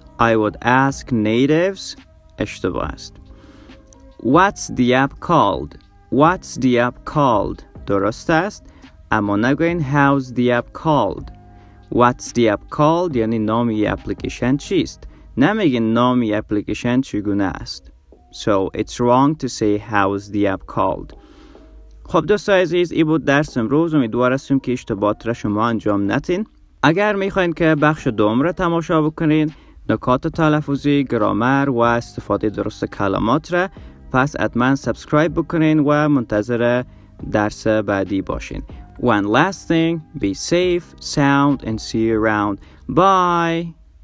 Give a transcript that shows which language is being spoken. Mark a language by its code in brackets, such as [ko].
[en] I would ask natives. [fa] اشتباه است. [en] What's the app called? What's the app called? [fa] درست است. اما نگوین [en] how's the app called? What's the app called? [fa] یعنی نام ی اپلیکیشن چیست؟ نمیگین نام ی اپلیکیشن چگونه است. [en] So it's wrong to say how's the app called. [fa] خب دوست عزیز، ای بود درس امروز. امیدوار هستم که اشتباهات را شما انجام نتین. اگر میخواین که بخش دوم را تماشا بکنین، نکات تلفظی، گرامر و استفاده درست کلمات را، پس حتما سابسکرایب بکنین و منتظر درس بعدی باشین. [en] One last thing, be safe, sound, and see you around. Bye!